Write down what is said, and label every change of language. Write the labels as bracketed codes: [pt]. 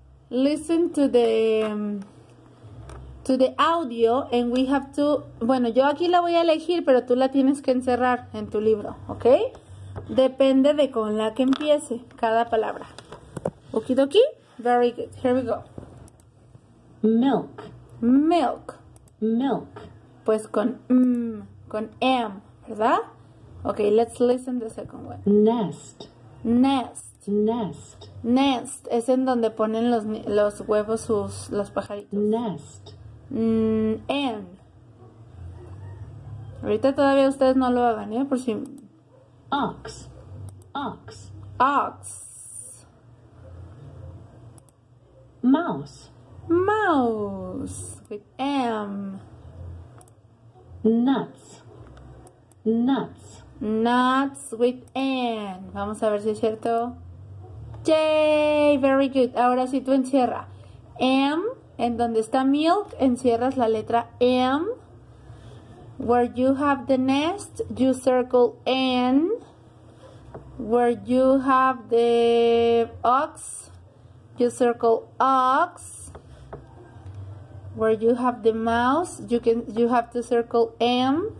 [en] Listen to the audio and we have to... [es] Bueno, yo aquí la voy a elegir, pero tú la tienes que encerrar en tu libro, ¿ok? Depende de con la que empiece cada palabra. [en] Okidoki, very good. Here we go. Milk. Milk. Milk. [es] Pues con con M, ¿verdad? [en] Ok, let's listen the second one. Nest. Nest. Nest. Nest. [es] Es en donde ponen los huevos los pajaritos. [en] Nest. N. [es] Ahorita todavía ustedes no lo hagan, ¿eh? Por si... [en] Ox. Ox. Ox. Mouse. Mouse. With M. Nuts. Nuts. Nuts with N. [es] Vamos a ver si es cierto... [en] Yay, very good. [es] Ahora sí tú encierra. M, en donde está milk, encierras la letra M. [en] Where you have the nest, you circle N. Where you have the ox, you circle ox. Where you have the mouse, you have to circle M.